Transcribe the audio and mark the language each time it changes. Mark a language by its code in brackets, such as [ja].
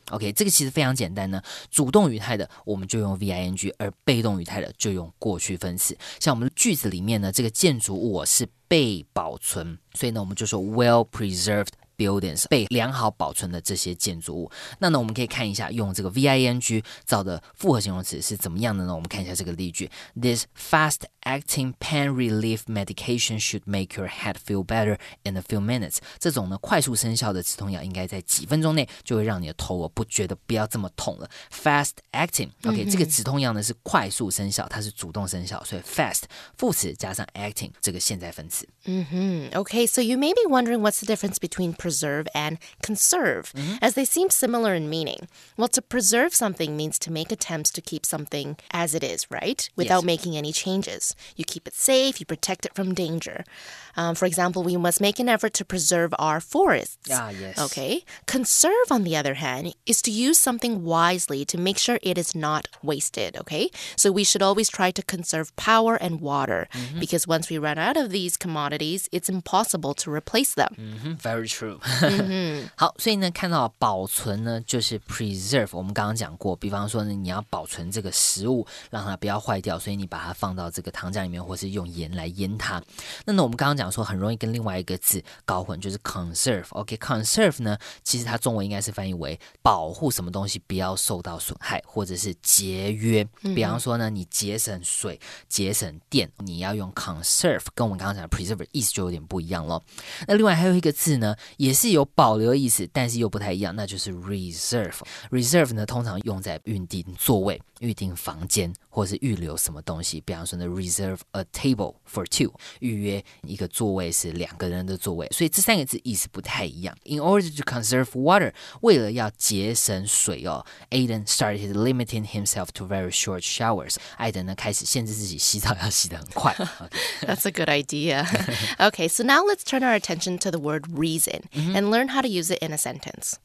[zh] OK， 这个其实非常简单呢，主动语态的我们就用 VING， 而被动语态的就用过去分词。像我们句子里面呢，这个建筑物是被保存，所以呢我们就说 well preservedBuildings 被良好保存的这些建筑物。那呢我们可以看一下用这个 VING 造的复合形容词是怎么样的呢？我们看一下这个例句。 [en] This fast acting pain relief medication should make your head feel better in a few minutes. [zh] 这种呢快速生效的止痛药应该在几分钟内就会让你的头不觉得不要这么痛了。 Fast acting OK、这个止痛药呢是快速生效，它是主动生效，所以 fast 副词加上 acting 这个现在分词。 [en] OK, so you may be wondering what's the difference betweenPreserve and conserve, as they seem similar in meaning. Well, to preserve something means to make attempts to keep something as it is, right? Without making any changes. You keep it safe, you protect it from danger. For example, we must make an effort to preserve our forests. Okay. Conserve, on the other hand, is to use something wisely to make sure it is not wasted, okay? So we should always try to conserve power and water, because once we run out of these commodities, it's impossible to replace them. Very true. [zh] 好，所以呢，看到保存呢，就是 preserve, 我们刚刚讲过，比方说呢，你要保存这个食物，让它不要坏掉，所以你把它放到这个糖浆里面，或是用盐来腌它。那呢，我们刚刚讲说很容易跟另外一个字搞混，就是 conserve。 OK, conserve 呢其实它中文应该是翻译为保护什么东西不要受到损害，或者是节约。比方说呢，你节省水节省电，你要用 conserve, 跟我们刚刚讲的 preserve 意思就有点不一样了。那另外还有一个字呢也是有保留意思，但是又不太一样，那就是 reserve。 reserve 呢通常用在预定座位、预定房间，或是预留什么东西。比方说呢 [en] reserve a table for two, [zh] 预约一个座位是两个人的座位，所以这三个字意思不太一样。 [en] In order to conserve water, [zh] 为了要节省水哦， [en] Aiden started limiting himself to very short showers. [zh] 艾登呢开始限制自己洗澡要洗得很快。 [en] That's a good idea. Okay, so now let's turn our attention to the word reason and learn how to use it in a sentence.